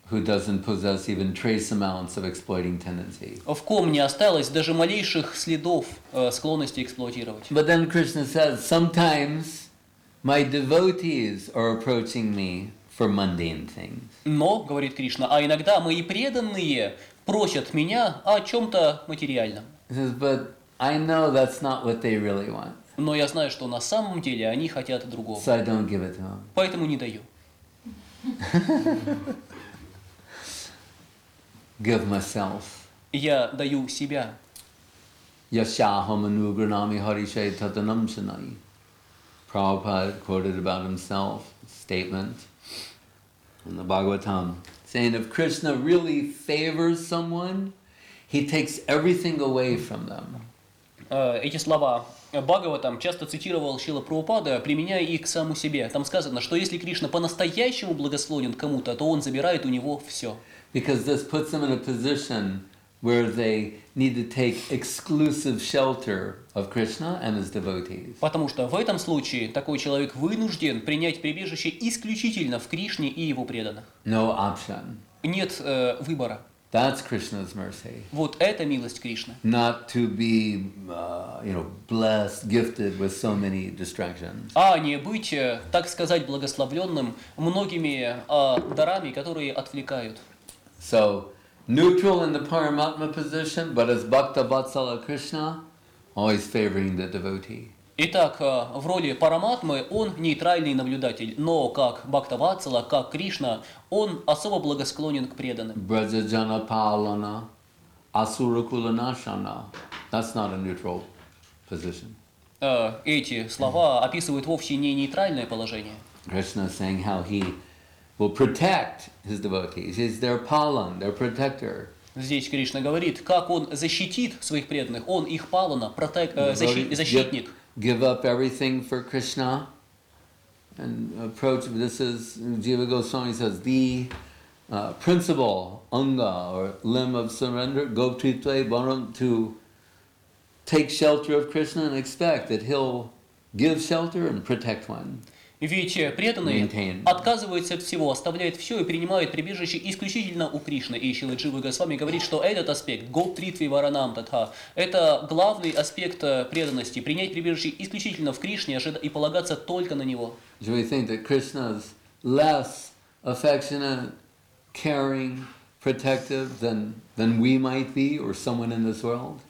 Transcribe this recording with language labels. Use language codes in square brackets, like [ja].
[en] Who doesn't possess even trace amounts of exploiting tendency. [ru] В ком не осталось даже малейших следов склонности эксплуатировать. [en] But then Krishna says, sometimes my devotees are approaching me for mundane things. [ru] Но, говорит Кришна, а иногда мои преданные просят меня о чем-то материальном. [en] He says, but I know that's not what they really want. [ru] Но я знаю, что на самом деле они хотят другого. [en] So I don't give it to them. [ru] Поэтому не даю. [en] Give myself. [ru] Я даю себя. [sa] Yashaham anugranami harishe tatanam sanai. [en] Prabhupada quoted about himself a statement in the Bhagavatam saying if Krishna really favors someone, he takes everything away from them. [ru] Эти слова Бхагаватам часто цитировал Шрила Прабхупада, применяя их к самому себе. Там сказано, что если Кришна по-настоящему благословен кому-то, то он забирает у него все. [en] Because this puts them in a position where they need to take exclusive shelter of Krishna and his devotees. [ru] Потому что в этом случае такой человек вынужден принять прибежище исключительно в Кришне и его преданных. [en] No option. [ru] Нет выбора. [en] That's Krishna's mercy. [ru] Вот это милость Кришны. [en] Not to be, blessed, gifted with so many distractions. [ru] А не быть, так сказать, благословленным многими дарами, которые отвлекают. [en] So, neutral in the Paramatma position, but as Bhakta Vatsala Krishna, always favoring the devotee. [ru] Итак, в роли Параматмы он нейтральный наблюдатель, но как Бхактавацала, как Кришна, он особо благосклонен к преданным. [sa] Браджаджана Палана Асуракуланашана. [en] That's not a neutral position. [ru] Эти слова описывают вовсе не нейтральное положение. [en] Krishna is saying how he will protect his devotees. He's their palan, their protector. [ru] Здесь Кришна говорит, как он защитит своих преданных, он их палана, защитник. [en] Give up everything for Krishna and approach. This is Jiva Goswami says the principal anga or limb of surrender, gopitve varam, to take shelter of Krishna and expect that he'll give shelter and protect one. [ru] Ведь преданный отказывается от всего, оставляет все и принимает прибежище исключительно у Кришны. И Шрила Джива Госвами говорит, что этот аспект, Гоптритви Варанам Татха, это главный аспект преданности, принять прибежище исключительно в Кришне и полагаться только на Него. [en] We think that Krishna's less affectionate, caring, protective than we might be or someone in this world?